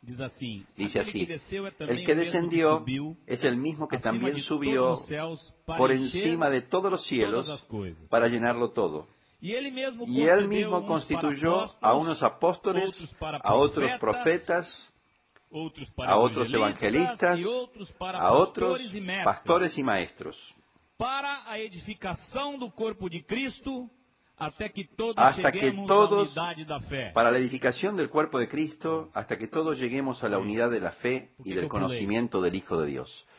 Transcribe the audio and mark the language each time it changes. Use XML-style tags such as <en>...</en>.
<es>Dice así: el que descendió es el mismo que también subió por encima de todos los cielos para llenarlo todo. Y él mismo constituyó a unos apóstoles, a otros profetas, a otros evangelistas, a otros pastores y maestros,</es> <pt>para a edificação do corpo de Cristo, até que todos</pt> <es>hasta que todos</es> <pt>à unidade da fé.</pt> <es>Para la edificación del cuerpo de Cristo, hasta que todos lleguemos a la unidad de la fe y del conocimiento del Hijo de Dios.</es>